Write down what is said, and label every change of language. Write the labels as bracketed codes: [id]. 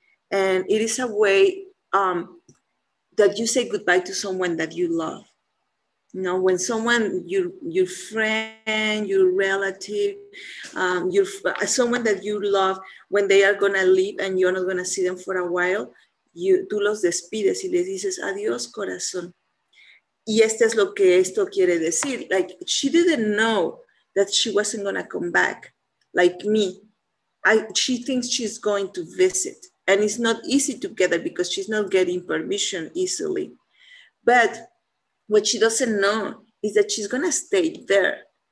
[en] And it is a way that you say goodbye to someone that you love. You know, when someone, your friend, your relative, someone that you love, when they are gonna leave and you're not gonna see them for a while, [es] tú los despides y les dices, adiós, corazón. Y este es lo que esto quiere decir. [en] Like, she didn't know that she wasn't gonna come back, like me. She thinks she's going to visit. And it's not easy to get there because she's not getting permission easily. But what she doesn't know is that she's gonna stay there.